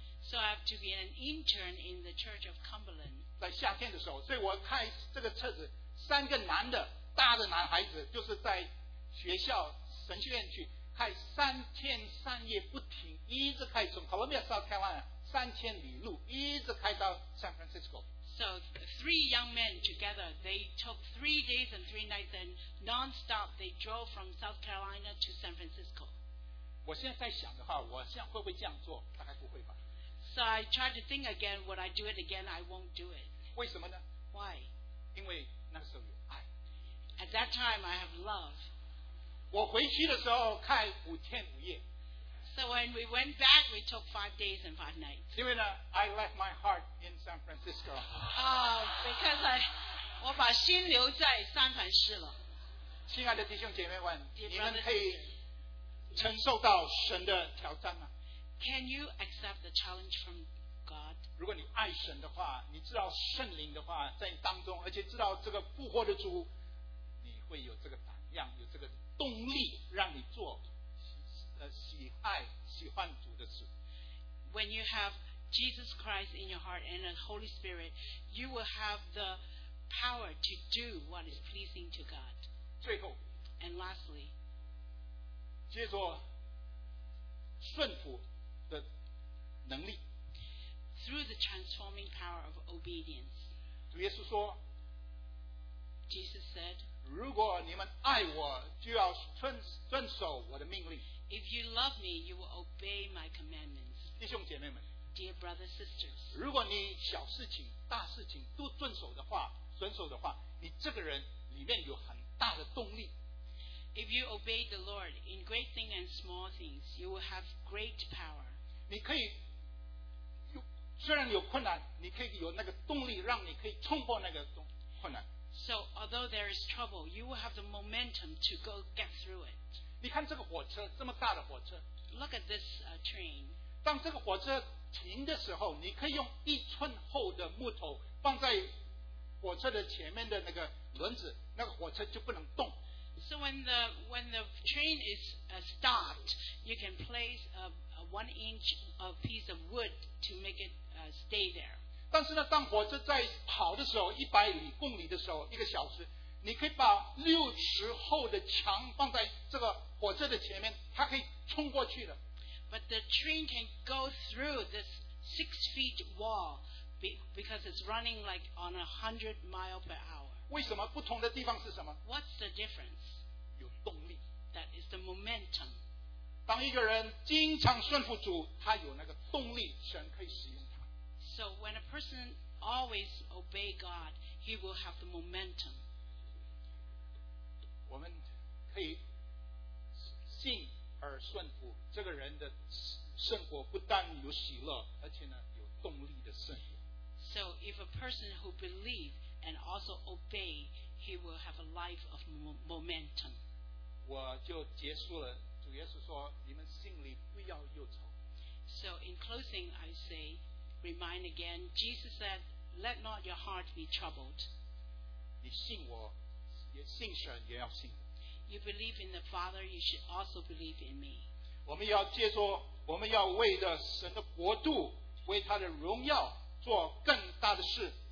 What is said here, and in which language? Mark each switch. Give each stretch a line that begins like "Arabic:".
English: So I have to be an intern in the Church of Cumberland.
Chinese: 在夏天的时候，所以我看这个册子，三个男的，大的男孩子，就是在学校神学院去开三天三夜不停，一直开从考文比亚到台湾三千里路，一直开到 San Francisco。
English: So three young men together, they took 3 days and three nights and non-stop they drove from South Carolina to San Francisco.
Chinese: 我现在在想的话，我现在会不会这样做？大概不会吧。
English: So I tried to think again, would I do it again? I won't do it.
Chinese: 为什么呢？
English: Why?
Chinese: 因为那个时候有爱。
English: At that time, I have love.
Chinese: 我回去的时候开五天五夜。
English: So when we went back, we took 5 days and five nights.
Chinese: 因为呢
English: I left my heart in San Francisco. Because I,
Chinese: 我把心留在三藩市了。亲爱的弟兄姐妹们，你们可以承受到神的挑战吗？
English: Can you accept the challenge from God?
Chinese: 如果你爱神的话，你知道圣灵的话在你当中，而且知道这个复活的主，你会有这个胆量，有这个动力，让你做喜爱喜欢主的事。
English: When you have Jesus Christ in your heart and the Holy Spirit, you will have the power to do what is pleasing to God.
Chinese: 最后
English: ，and lastly，
Chinese: 接着顺服。的能力
English: through the transforming power of obedience.
Chinese: 主耶稣说
English: Jesus said,
Chinese: 如果你们爱我就要遵守我的命令。
English: If you love me, you will obey my commandments.
Chinese: 弟兄姐妹们
English: Dear brothers, sisters,
Chinese: 如果你小事情大事情都遵守的话你这个人里面有很大的动力。
English: If you obey the Lord in great things and small things, you will have great power.
Chinese: 你可以虽然有困难，你可以有那个动力，让你可以冲破那个困难。
English: So although there is trouble, you will have the momentum to go get through it.
Chinese: 你看这个火车，这么大的火车。
English: Look at this train.
Chinese: 当这个火车停的时候，你可以用一寸厚的木头放在火车的前面的那个轮子，那个火车就不能动。
English: So when the train is stopped, you can place a 1-inch piece of wood to make it stay there.
Chinese: 但是呢，当火车在跑的时候，一百里公里的时候，一个小时，你可以把60厚的墙放在这个火车的前面，它可以冲过去的。
English: But the train can go through this 6-foot wall because it's running like on 100 mile per hour.
Chinese: 为什么不同的地方是什么
English: What's the difference?
Chinese: 有动力
English: That is the momentum.
Chinese: 当一个人经常顺服主他有那个动力神可以使用他
English: So when a person always obey God he will have the momentum.
Chinese: 我们可以信而顺服这个人的生活不但有喜乐而且呢有动力的生活
English: So if a person who believes and also obey, he will have a life of momentum.
Chinese: 我就结束了。主耶稣说，你们心里不要忧愁。
English: So in closing, I say, remind again, Jesus said, let not your heart be troubled.
Chinese: 你信我，也信神，也要信。
English: You believe in the Father, you should also believe in me.
Chinese: 我们要接着，我们要为着神的国度，为他的荣耀做更大的事。